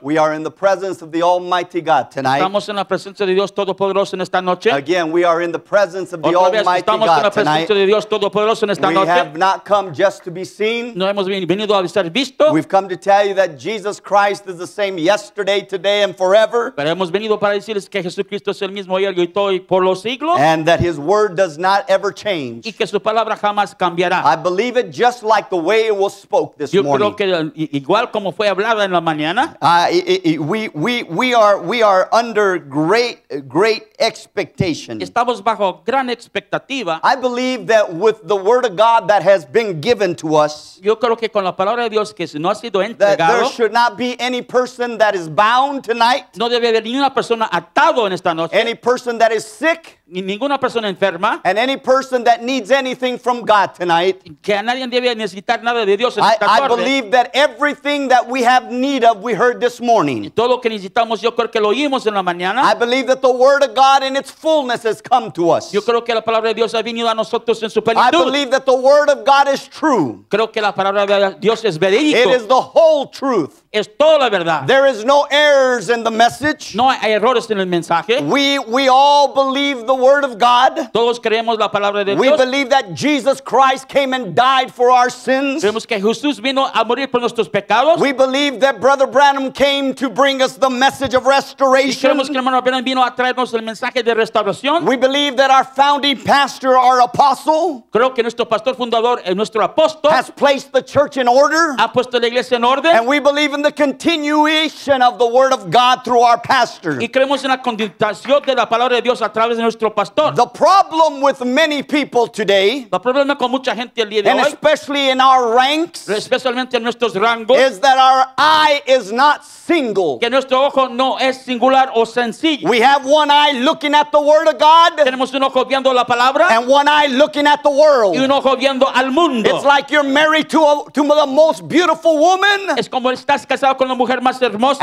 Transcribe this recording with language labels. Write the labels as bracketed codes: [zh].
[en] We are in the presence of the Almighty God tonight. [es] Estamos en la presencia de Dios Todopoderoso en esta noche. [en] Again, we are in the presence of the Almighty God tonight. [es] Estamos en la presencia de Dios Todopoderoso en esta noche. [en] We have not come just to be seen. [es] No hemos venido a ser visto. [en] We've come to tell you that Jesus Christ is the same yesterday, today, and forever. [es] Pero hemos venido para decirles que Jesucristo es el mismo ayer, hoy, y por los siglos. [en] And that His word does not ever change. [es] Y que su palabra jamás cambiará. [en] I believe it just like the way it was spoke this morning. [es] Yo creo que igual como fue hablada en la mañana. [en] We are under great expectation. [es] Estamos bajo gran expectativa. [en] I believe that with the word of God that has been given to us. [es] Yo creo que con la palabra de Dios que no ha sido entregado. [en] That there should not be any person that is bound tonight. [es] No debe haber ninguna persona atado en esta noche. [en] Any person that is sick. [es] Ni ninguna persona enferma. [en] And any person that needs anything from God tonight. [es] Que a nadie debe necesitar nada de Dios. [en] I believe that everything that we have need of, we heard this morning. [es] Todo lo que necesitamos, yo creo que lo oímos en la mañana. [en] I believe that the word of God in its fullness has come to us. [es] Yo creo que la palabra de Dios ha venido a nosotros en su plenitud. [en] I believe that the word of God is true. [es] Creo que la palabra de Dios es verídico. [en] It is the whole truth. [es] Es toda la verdad. [en] There is no errors in the message. [es] No hay errores en el mensaje. [en] We all believe the word of God. [es] Todos creemos la palabra de Dios. [en] We believe that Jesus Christ came and died for our sins. [es] Creemos que Jesús vino a morir por nuestros pecados. [en] We believe that Brother Branham came to bring us the message of restoration. [es] Y creemos que hermano Branham vino a traernos el mensaje de restauración. [en] We believe that our founding pastor, our apostle, [es] creo que nuestro pastor fundador, nuestro apóstol, [en] has placed the church in order. [es] Ha puesto la iglesia en orden. [en] And we believe in the continuation of the word of God through our pastor. [es] Y creemos en la continuación de la palabra de Dios a través de nuestro pastor. [en] The problem with many people today, [es] el problema con mucha gente el día de hoy, [en] and especially in our ranks, [es] especialmente en nuestros rangos, [en] is that our eye is not single. [es] Que nuestro ojo no es singular o sencillo. [en] We have one eye looking at the word of God, [es] tenemos un ojo viendo la palabra, [en] and one eye looking at the world, [es] y un ojo viendo al mundo. [en] It's like you're married to the most beautiful woman. [es] Es como estás casado con la mujer más hermosa.